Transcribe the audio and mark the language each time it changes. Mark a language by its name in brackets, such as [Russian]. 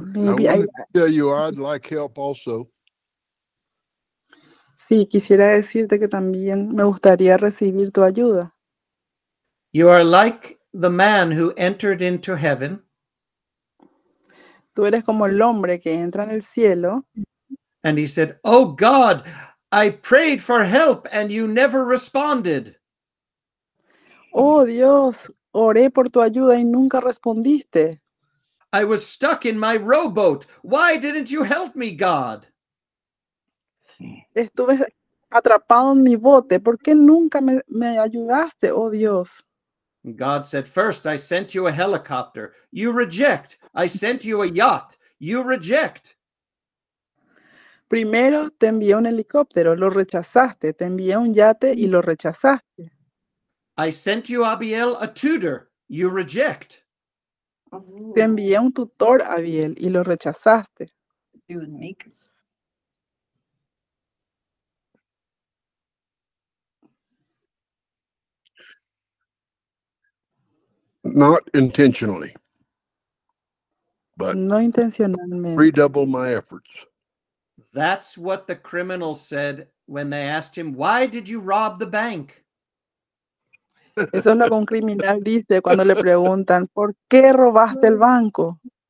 [English] Maybe I want to tell you I'd like help also. [Spanish] Sí, quisiera decirte que también me gustaría recibir tu ayuda. [English] You are like the man who entered into heaven. [Spanish] Tú eres como el hombre que entra en el cielo. [English] And he said, "Oh God, I prayed for help and you never responded." [Spanish] Oh Dios, oré por tu ayuda y nunca respondiste. [English] I was stuck in my rowboat. Why didn't you help me, God? [Spanish] Estuve atrapado en mi bote. ¿Por qué nunca me ayudaste, oh Dios? [English] God said, first I sent you a helicopter. You reject. I sent you a yacht. You reject. [Spanish] Primero te envié un helicóptero. Lo rechazaste. Te envié un yate y lo rechazaste. [English] I sent you, Abiel, a tutor. You reject. [Spanish] Te envié un tutor, Abiel, y lo rechazaste. [English] Not intentionally, but [Spanish] no intencionalmente. [English] Redouble my efforts. That's what the criminal said when they asked him, "Why did you rob the bank?" [Spanish] Eso es lo que un criminal dice cuando le preguntan, ¿por qué robaste el banco?